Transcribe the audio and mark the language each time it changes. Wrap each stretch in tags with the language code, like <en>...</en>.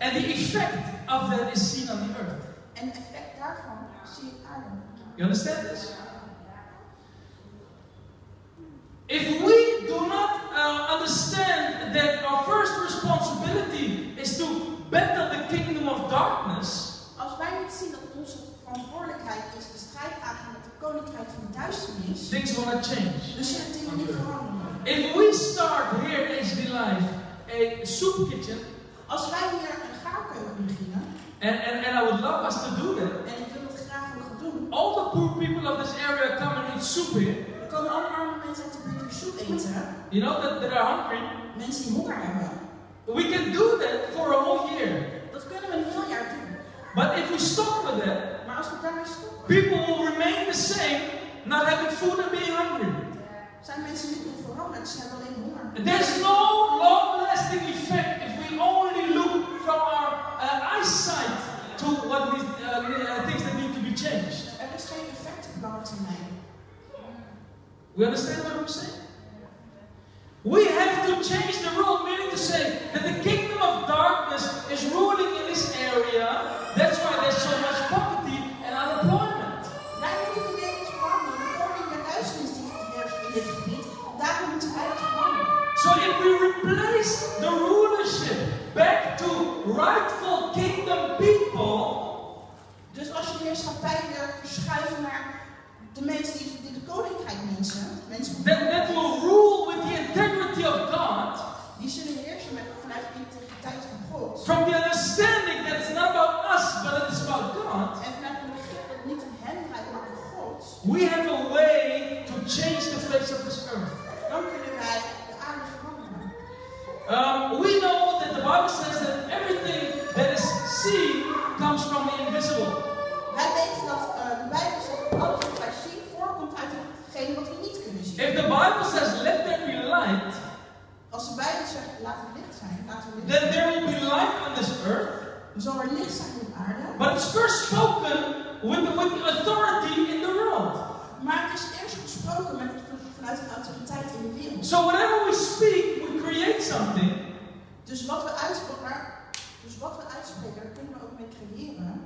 <en>And the effect of that is seen on the earth.</en> <nl>En het effect daarvan zie je aarde.</nl> <en>You understand this? If we do not understand that our first responsibility is to better the kingdom of darkness,</en> <nl>als wij niet zien dat onze verantwoordelijkheid is de strijd aangaan met de koninkrijk van de duisternis,</nl> <en>things will not change.</en> <nl>Dus zullen dingen niet veranderen.</nl> <en>If we start here in HD Life a soup kitchen,</en> <nl>als wij hier een gaarkeuken beginnen,</nl> <en>and I would love us to do that.</en> <nl>En ik wil het graag nog doen.</nl> <en>All the poor people of this area come and eat soup here.</en> <nl>Komen alle arme mensen uit de buurt soep eten?</nl> <en>You know that they are hungry.</en> <nl>Mensen die honger hebben.</nl> <en>We can do that for a whole year.</en> <nl>Dat kunnen we een heel jaar doen.</nl> <en>But if we stop with that,</en> <nl>maar als we daarmee stoppen,</nl> <en>people will remain the same, not having food and being hungry.</en> <nl>Zijn mensen niet meer veranderd? Ze hebben alleen honger.</nl> <en>There's no long-lasting effect if we only look from our eyesight to what things that need to be changed.</en> <nl>Er is geen effect op lange termijn.</nl> <en>We understand what I'm saying? We have to change the world, meaning to say that the kingdom of darkness is ruling in this area. That's why there's so much poverty and unemployment.</en> <nl>Wij moeten de wereld veranderen. De koninklijke duisternis die heerst in dit gebied. Daar moeten wij het veranderen.</nl> <en>So if we replace the rulership back to rightful kingdom people.</en> <nl>Dus als je de heerschappij weer verschuift naar de mensen die de koninkrijk mensen.</nl> <en>That will rule with the integrity of God.</en> <nl>Die zullen heersen met vanuit de integriteit van God.</nl> <en>From the understanding that it's not about us, but it is about God.</en> <nl>En vanuit het begrip dat niet om hen gaat, maar om God.</nl> <en>We have a way to change the face of this earth.</en> <nl>Dan kunnen wij de aarde veranderen.</nl> <en>We know that the Bible says that everything that is seen comes from the invisible.</en> <nl>Wij weten dat de Bijbel zegt alles wat wij zien voorkomt uit hetgeen wat we niet kunnen zien.</nl> <en>If the Bible says let there be light,</en> <nl>als de Bijbel zegt laat er licht zijn, laat er licht.</nl> <en>Then there will be light on this earth.</en> <nl>Dan zal er licht zijn op aarde.</nl> <en>But it's first spoken with the authority in the world.</en> <nl>Maar het is eerst gesproken met vanuit de autoriteit in de wereld.</nl> <en>So whenever we speak, we create something.</en> <nl>Dus wat we uitspreken. Dus wat we uitspreken, kunnen we ook mee creëren.</nl>